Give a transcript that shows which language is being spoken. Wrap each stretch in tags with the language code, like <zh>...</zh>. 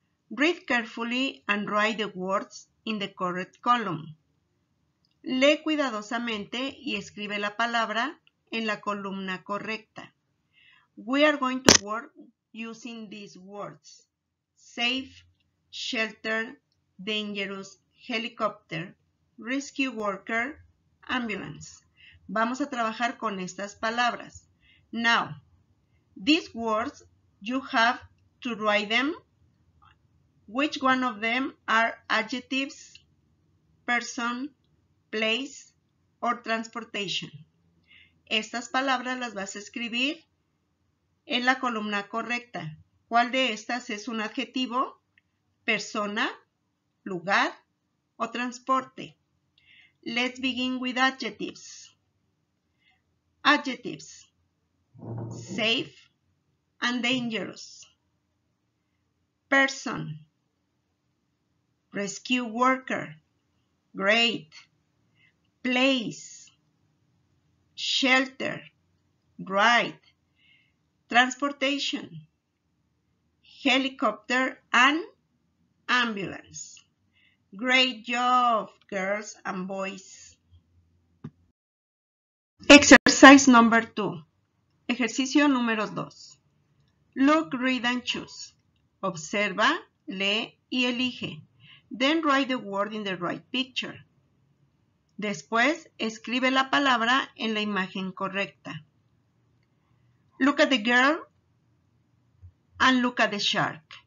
<en>Read carefully and write the words in the correct column.</en> <es>Lee cuidadosamente y escribe la palabra en la columna correcta.</es> <en>We are going to work using these words. Safe, shelter, dangerous, helicopter, rescue worker, ambulance.</en> <es>Vamos a trabajar con estas palabras.</es> <en>Now, these words, you have to write them. Which one of them are adjectives, person, place, or transportation?</en> <es>Estas palabras las vas a escribir en la columna correcta. ¿Cuál de estas es un adjetivo, persona, lugar o transporte?</es> <en>Let's begin with adjectives. Adjectives: safe and dangerous. Person: rescue worker, great. Place: shelter, right. Transportation: helicopter and ambulance. Great job, girls and boys. Exercise number two.</en> <es>Ejercicio número dos.</es> <en>Look, read and choose.</en> <es>Observa, lee y elige.</es> <en>Then write the word in the right picture.</en> <es>Después, escribe la palabra en la imagen correcta.</es> <en>Look at the girl and look at the shark.</en>